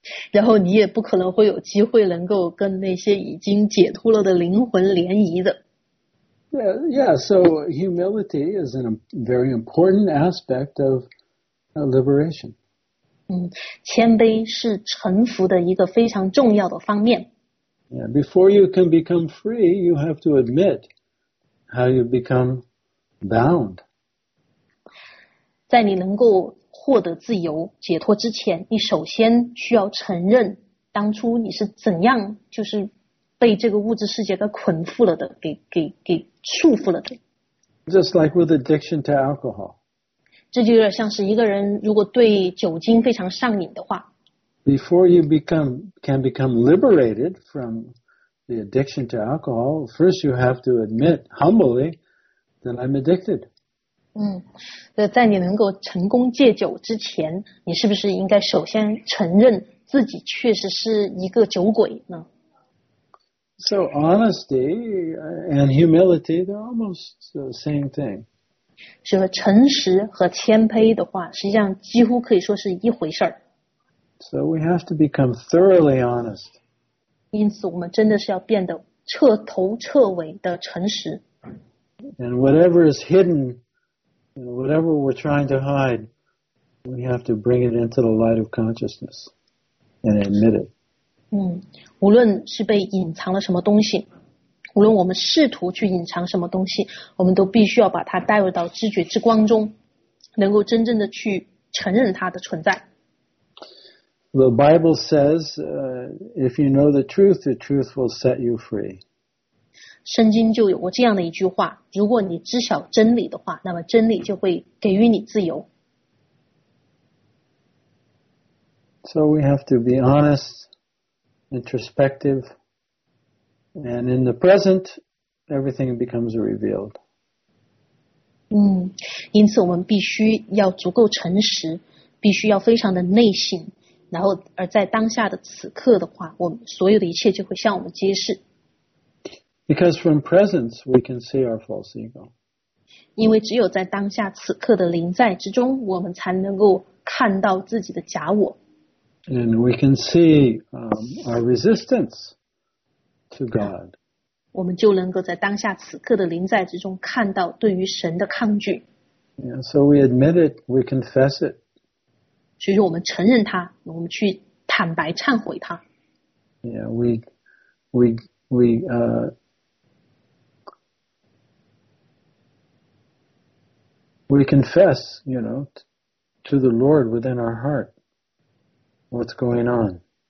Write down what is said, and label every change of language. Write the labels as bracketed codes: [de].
[zh] 然后你也不可能会有机会能够跟那些已经解脱了的灵魂联谊的。 [en] Yeah, so humility is a very important aspect of liberation. [zh] 谦卑是臣服的一个非常重要的方面。 [en] Yeah, before you can become free, you have to admit how you become bound. [zh] 在你能够获得自由、解脱之前，你首先需要承认当初你是怎样就是被这个物质世界给捆缚了的，给束缚了的。 [en] Just like with addiction to alcohol. [zh] 这就有点像是一个人如果对酒精非常上瘾的话。 [en] Before you can become liberated from the addiction to alcohol, first you have to admit humbly that I'm addicted. [zh] 在你能够成功戒酒之前，你是不是应该首先承认自己确实是一个酒鬼呢？ [en] So honesty and humility, they're almost the same thing. [zh] 是和诚实和谦卑的话，实际上几乎可以说是一回事儿。 [en] So we have to become thoroughly honest. [zh] 因此，我们真的是要变得彻头彻尾的诚实。 [en] And whatever is hidden, you know, whatever we're trying to hide, we have to bring it into the light of consciousness and admit it. [zh] 无论是被隐藏了什么东西。无论我们试图去隐藏什么东西，我们都必须要把它带入到知觉之光中，能够真正的去承认它的存在。 [en] The Bible says, if you know the truth, the truth will set you free. [zh] 圣经就有过这样的一句话，如果你知晓真理的话，那么真理就会给予你自由。 [en] So we have to be honest introspective. And in the present, everything becomes revealed. [zh] 因此我们必须要足够诚实，必须要非常的内心，然后而在当下的此刻的话，我们所有的一切就会向我们揭示。 [en] Because from presence we can see our false ego. [zh] 因为只有在当下此刻的临在之中，我们才能够看到自己的假我。 [en] And we can see our resistance to God. [zh] 我们就能够在当下此刻的临在之中看到对于神的抗拒。 [en] Yeah, so we admit it, we confess it. [zh] 所以说我们承认它，我们去坦白忏悔它。 [en] Yeah, we confess, you know, to the Lord within our heart what's going on.